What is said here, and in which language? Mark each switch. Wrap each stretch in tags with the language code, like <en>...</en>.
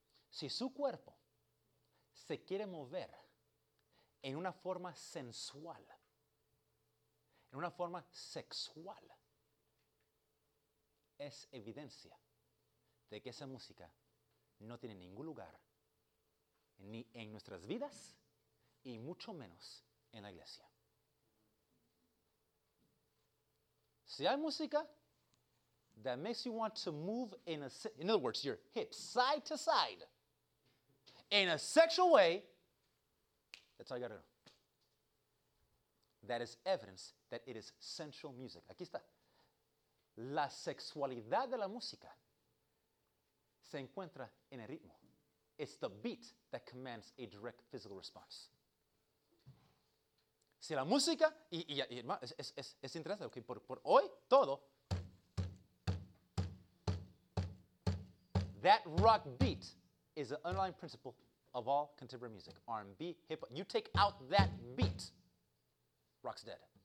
<es>Si su cuerpo se quiere mover en una forma sensual, en una forma sexual, es evidencia de que esa música no tiene ningún lugar ni en nuestras vidas y mucho menos en la iglesia. Si hay música,</es> <en>that makes you want to move in other words, your hips side to side in a sexual way, that's all you gotta know. That is evidence that it is sensual music.</en> <es>Aquí está. La sexualidad de la música se encuentra en el ritmo.</es> <en>It's the beat that commands a direct physical response.</en> <es>Si la música, y es interesante, okay, por hoy, todo.</es> <en>That rock beat is the underlying principle of all contemporary music. R&B, hip-hop. You take out that beat, rock's dead.</en>